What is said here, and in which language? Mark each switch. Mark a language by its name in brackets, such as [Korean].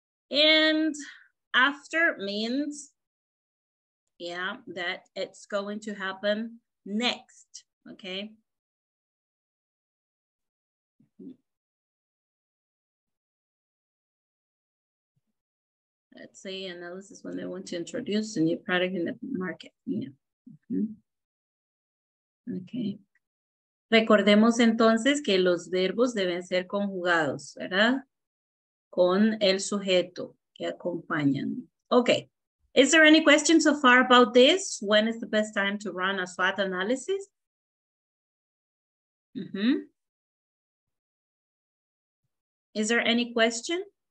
[English] And after means, yeah, that it's going to happen next, okay? Let's say analysis when they want to introduce a new product in the market. Yeah. Mm-hmm. Okay. [Spanish] Recordemos entonces que los verbos deben ser conjugados, ¿verdad? Con el sujeto que acompañan. Okay. [English] Is there any question so far about this? When is the best time to run a SWOT analysis? Mm-hmm. Is there any question?